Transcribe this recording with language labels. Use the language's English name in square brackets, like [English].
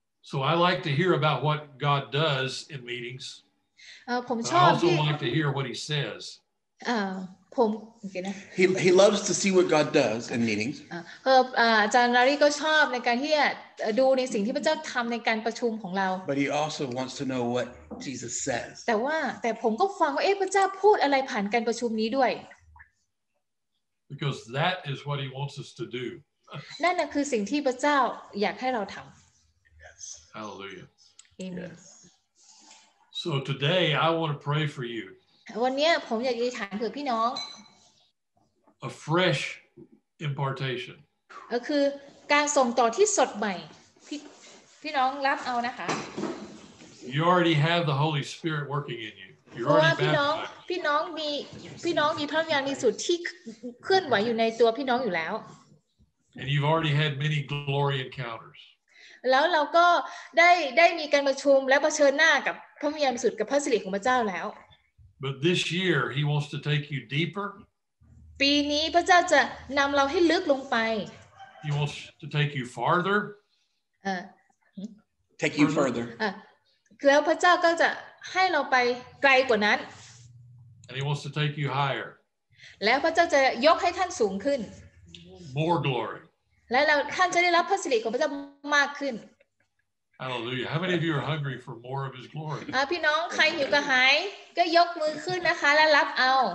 [English] So I like to hear about what God does in meetings. [Thai] ผมชอบ [English] I also like to hear what he says. [Thai] ผม okay นะ [English] He loves to see what God does in meetings. [Thai] อาจารย์นารีก็ชอบในการที่ดูในสิ่งที่พระเจ้าทำในการประชุมของเรา [English] But he also wants to know what Jesus says. [Thai] แต่ผมก็ฟังว่าพระเจ้าพูดอะไรผ่านการประชุมนี้ด้วย [English] Because that is what he wants us to do. [Thai] นั่นน่ะคือสิ่งที่พระเจ้าอยากให้เราทำ [English] Hallelujah. Amen. So today I want to pray for you. [Thai] วันนี้ผมอยากอธิษฐานเผื่อพี่น้อง [English] A fresh impartation. [Thai] ก็คือการส่งต่อที่สดใหม่พี่น้องรับเอานะคะ [English] You already have the Holy Spirit working in you. You're already baptized. [Thai] พี่น้องมี พระวิญญาณบริสุทธิ์ที่เคลื่อนไหวอยู่ในตัวพี่น้องอยู่แล้ว [English] And you've already had many glory encounters. [Thai] แล้วเราก็ได้มีการประชุมและเผชิญหน้ากับพระวิญญาณบริสุทธิ์กับพระสิริของพระเจ้าแล้ว [English] But this year he wants to take you deeper. [Thai] ปีนี้พระเจ้าจะนำเราให้ลึกลงไป [English] He wants to take you farther. Take you further. [Thai] แล้วพระเจ้าก็จะให้เราไปไกลกว่านั้น [English] And he wants to take you higher. [Thai] แล้วพระเจ้าจะยกให้ท่านสูงขึ้น [English] More glory. [Thai] และท่านจะได้รับพระสิริของพระเจ้ามากขึ้น [English] Hallelujah. How many of you are hungry for more of his glory? [Thai] พี่น้องใครหิวกระหายก็ยกมือขึ้นนะคะและรับเอา